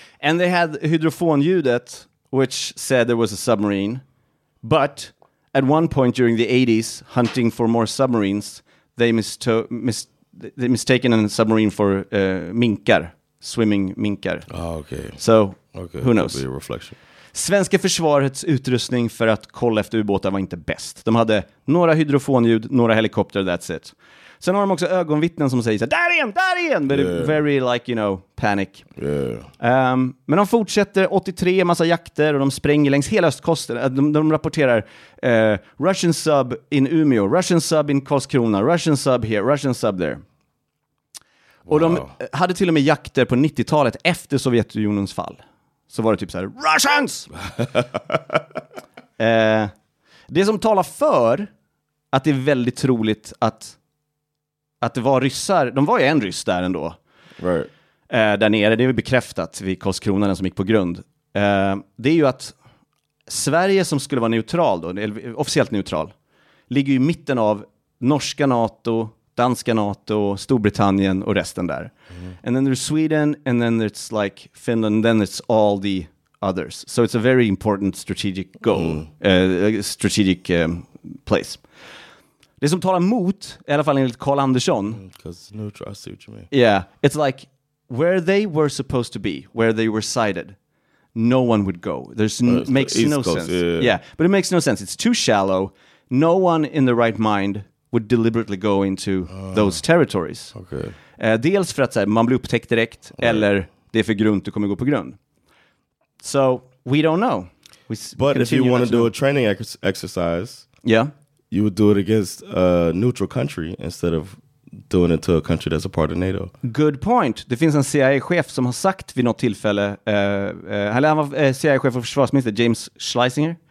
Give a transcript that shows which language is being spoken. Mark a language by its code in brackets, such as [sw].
[en] And they had [sv] hydrofonljudet, [en] which said there was a submarine. But at one point during the 80s, hunting for more submarines, they mistaken a submarine for [sv] minkar, [en] swimming minkar. Oh, okay. So, okay. Who knows? That'll be a reflection. [sv] Svenska försvarets utrustning för att kolla efter ubåtar var inte bäst. De hade några hydrofonljud, några helikopter, [en] that's it. [sv] Sen har de också ögonvittnen som säger så här, där igen! [en] But very like, you know, panic. Yeah. [sv] Men de fortsätter, 83, massa jakter och de spränger längs hela östkusten. De rapporterar, [en] Russian sub in Umeå, Russian sub in Karlskrona, Russian sub here, Russian sub there. Wow. [sv] Och de hade till och med jakter på 90-talet efter Sovjetunionens fall. Så var det typ så här, [en] Russians! [sv] det som talar för att det är väldigt troligt att det var ryssar, de var ju en ryss där ändå. [en] Right. [sv] Där nere, det är ju bekräftat vid Karlskrona som gick på grund. Det är ju att Sverige som skulle vara neutral då, officiellt neutral, ligger ju i mitten av norska NATO, danska NATO, Storbritannien och resten där. Mm. [en] And then there's Sweden, and then it's like Finland, and then it's all the others. So it's a very important strategic goal, strategic place. [sv] Det som talar mot, i alla fall enligt Carl Andersson. [en] Because neutral, I see what you mean. Yeah, it's like where they were supposed to be, where they were sighted, no one would go. It makes no sense. Yeah, but it makes no sense. It's too shallow. No one in the right mind would deliberately go into those territories. Okay. [sv] Dels för att så här, man blir upptäckt direkt, eller det är för grunt, du kommer gå på grund. [en] So we don't know. We but if you want to do a training exercise, yeah, you would do it against a neutral country instead of doing it to a country that's a part of NATO. Good point. [sv] Det finns en CIA-chef som har sagt vid något tillfälle, han var CIA-chef för försvarsminister James Schlesinger.